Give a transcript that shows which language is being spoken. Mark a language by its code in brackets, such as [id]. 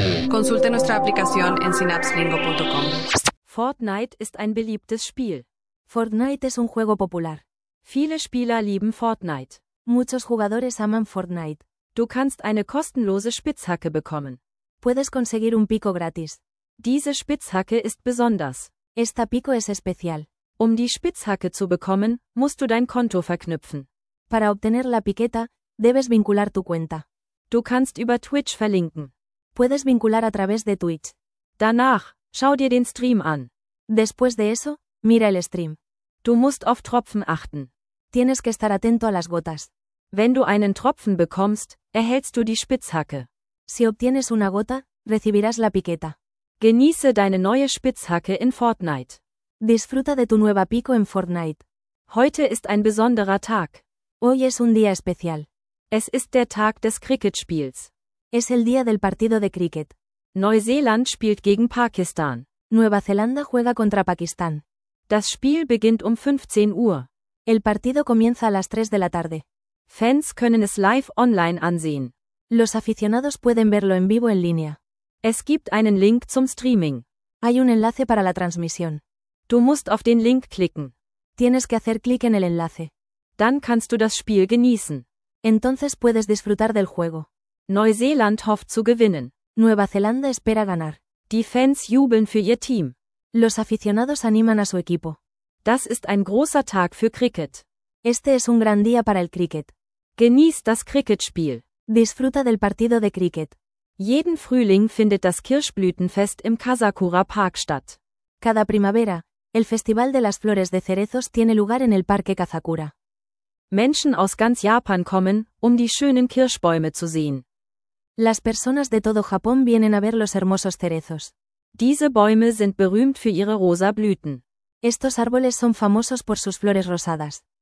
[es] Consulte nuestra aplicación en synapselingo.com. [de] Fortnite ist ein beliebtes Spiel. [es] Fortnite es un juego popular. [de] Viele Spieler lieben Fortnite. [es] Muchos jugadores aman Fortnite. [de] Du kannst eine kostenlose Spitzhacke bekommen. [es] Puedes conseguir un pico gratis. [de] Diese Spitzhacke ist besonders. [es] Esta pico es especial. [de] Um die Spitzhacke zu bekommen, musst du dein Konto verknüpfen. [es] Para obtener la piqueta, debes vincular tu cuenta. [de] Du kannst über Twitch verlinken. [es] Puedes vincular a través de Twitch. [de] Danach, schau dir den Stream an. [es] Después de eso, mira el stream. [de] Du musst auf Tropfen achten. [es] Tienes que estar atento a las gotas. [de] Wenn du einen Tropfen bekommst, erhältst du die Spitzhacke. [es] Si obtienes una gota, recibirás la piqueta. [de] Genieße deine neue Spitzhacke in Fortnite. [es] Disfruta de tu nueva pico en Fortnite. [de] Heute ist ein besonderer Tag. [es] Hoy es un día especial. [de] Es ist der Tag des Cricketspiels. [es] Es el día del partido de cricket. [de] Neuseeland spielt gegen Pakistan. [es] Nueva Zelanda juega contra Pakistán. [de] Das Spiel beginnt um 15 Uhr. [es] El partido comienza a las 3 de la tarde. [de] Fans können es live online ansehen. [es] Los aficionados pueden verlo en vivo en línea. [de] Es gibt einen Link zum Streaming. [es] Hay un enlace para la transmisión. [de] Du musst auf den Link klicken. [es] Tienes que hacer clic en el enlace. [de] Dann kannst du das Spiel genießen. [es] Entonces puedes disfrutar del juego. [de] Neuseeland hofft zu gewinnen. [es] Nueva Zelanda espera ganar. [de] Die Fans jubeln für ihr Team. [es] Los aficionados animan a su equipo. [de] Das ist ein großer Tag für Cricket. [es] Este es un gran día para el cricket. [de] Genieß das Cricketspiel. [es] Disfruta del partido de cricket. [de] Jeden Frühling findet das Kirschblütenfest im Kasakura Park statt. [es] Cada primavera, el Festival de las Flores de Cerezos tiene lugar en el Parque Kazakura. [de] Menschen aus ganz Japan kommen, um die schönen Kirschbäume zu sehen. [es] Las personas de todo Japón vienen a ver los hermosos cerezos. [de] Diese Bäume sind berühmt für ihre rosa Blüten. [es] Estos árboles son famosos por sus flores rosadas.